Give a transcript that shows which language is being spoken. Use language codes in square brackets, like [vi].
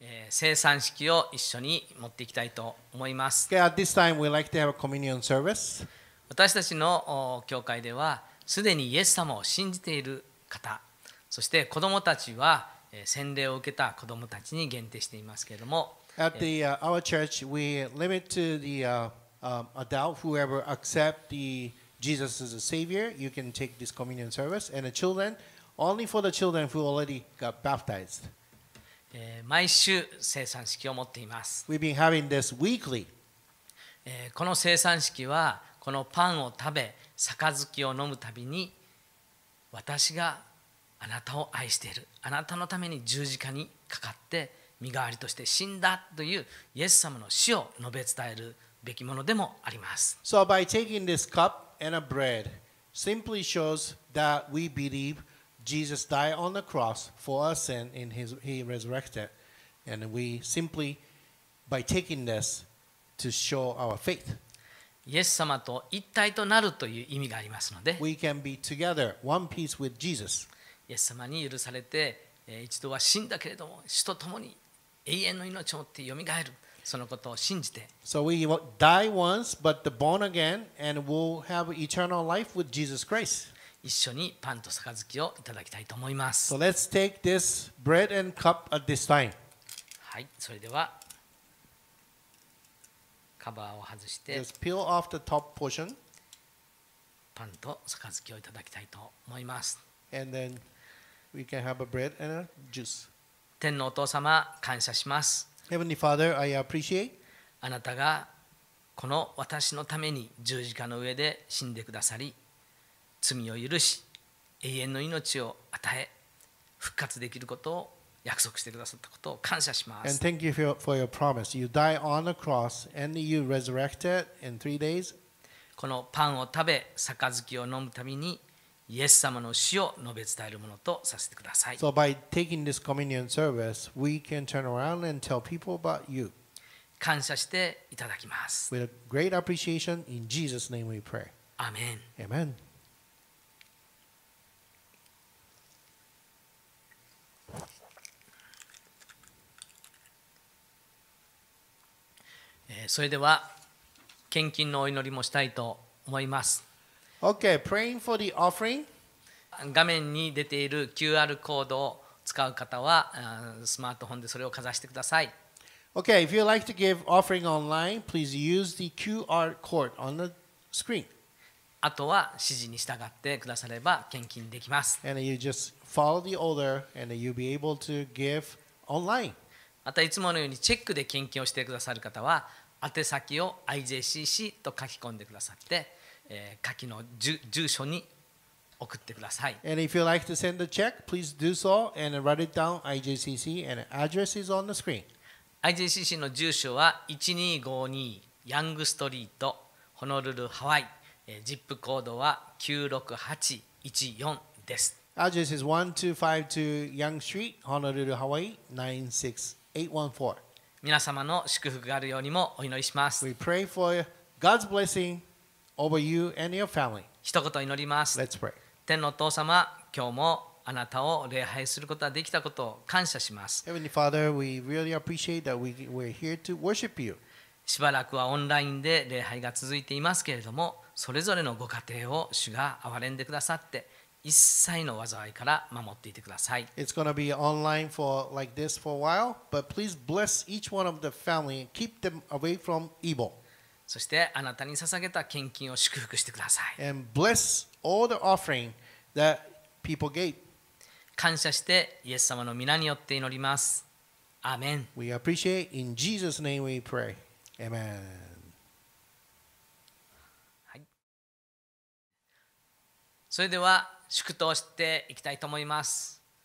[ja] 聖餐式を一緒に持っていきたいと思います。 [en] Okay, at this time, we'd like to have a communion service. [ja] 私たちの教会ではすでにイエス様を信じている方、そして子どもたちは洗礼を受けた子どもたちに限定していますけれども、 [en] At the, our church, we limit to the adult, whoever accept the Jesus as a savior, you can take this communion service. And the children, only for the children who already got baptized. [ja] 毎週聖餐式を持っています。 [en] We've been having this weekly. [ja] この聖餐式はこのパンを食べ杯を飲むたびに、私があなたを愛している、あなたのために十字架にかかって身代わりとして死んだというイエス様の死を述べ伝えるべきものでもあります。 [en] So by taking this cup and a bread simply shows that we believeJesus died on the cross for our sin and he resurrected. And we simply, by taking this, to show our faith. [ja] イエス様と一体となるという意味がありますので、 [en] we can be together, one piece with Jesus. [ja] イエス様に許されて、一度は死んだけれども、死と共に永遠の命を持ってよみがえる、そのことを信じて。 [en] So we die once, but born again, and we'll have eternal life with Jesus Christ. [ja] 一緒にパンと杯をいただきたいと思います。 [en] So let's take this bread and cup at this time. [ja] はい、それではカバーを外して、 [en] Let's peel off the top portion. [ja] パンと杯をいただきたいと思います。 [en] And then we can have a bread and a juice. [ja] 天のお父様、感謝します。 [en] Heavenly Father, I appreciate. [ja] あなたがこの私のために十字架の上で死んでくださり、罪を許し永遠の命を与え復活できることを約束してくださったことを感謝します。 [en] And thank you for your promise. You died on the cross and you resurrected in three days. [ja] このパンを食べ杯を飲むためにイエス様の死を述べ伝えるものとさせてください。 [en] So by taking this communion service, we can turn around and tell people about you. [ja] 感謝していただきます。 [en] With a great appreciation, in Jesus' name we pray. Amen. Amen. [ja] それでは献金のお祈りもしたいと思います。 [en] Okay, praying for the offering. [ja] 画面に出ている QR コードを使う方はスマートフォンでそれをかざしてください。 [en] Okay, if you like to give offering online, please use the QR code on the screen. [ja] あとは指示に従ってくだされば献金できます。 [en] And you just follow the order and you'll be able to give online. [ja] またいつものようにチェックで献金をしてくださる方は宛先を IJCC と書き込んでくださって、書きの住所に送ってください。 [en] And if you like to send a check, please do so and write it down IJCC and address is on the screen. [ja] IJCC の住所は1252ヤングストリートホノルルハワイ、ZIP コードは96814です。 [en] Address is 1252 Young Street Honolulu Hawaii 96814. [ja] 皆様の祝福があるようにもお祈りします。 [en] We pray for God's blessing over you and your family. [ja] 一言祈ります。 [en] Let's pray. [ja] 天のお父様、今日もあなたを礼拝することができたことを感謝します。 [en] Heavenly Father, we really appreciate that we're here to worship you. [ja] しばらくはオンラインで礼拝が続いていますけれども、それぞれのご家庭を主が憐れんでくださって一切の災いから守っていてください。 [en] It's going to be online for like this for a while, but please bless each one of the family and keep them away from evil. [ja] そしてあなたに捧げた献金を祝福してください。 [en] And bless all the offering that people gave. [ja] 感謝してイエス様の御名によって祈ります。アーメン。 [en] We appreciate in Jesus' name we pray. Amen. [ja] それでは祝祷をしていきたいと思います。